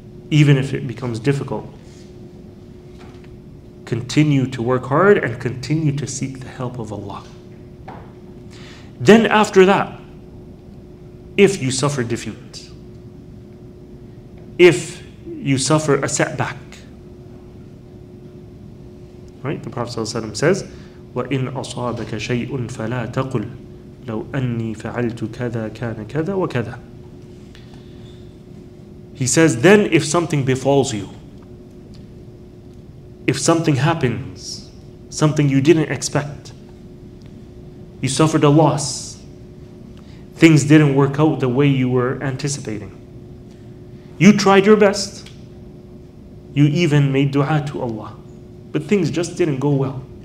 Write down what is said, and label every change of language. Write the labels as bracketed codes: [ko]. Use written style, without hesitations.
[en] Even if it becomes difficult, continue to work hard and continue to seek the help of Allah. Then after that, if you suffer defeat, if you suffer a setback, right? The Prophet ﷺ says, [ar] وَإِنْ أَصَابَكَ شَيْءٌ فَلَا تَقُلْ لَوْ أَنِّي فَعَلْتُ كَذَا كَانَ كَذَا وَكَذَا. [en] He says, then if something befalls you, if something happens, something you didn't expect, you suffered a loss, things didn't work out the way you were anticipating, you tried your best, you even made dua to Allah, but things just didn't go well.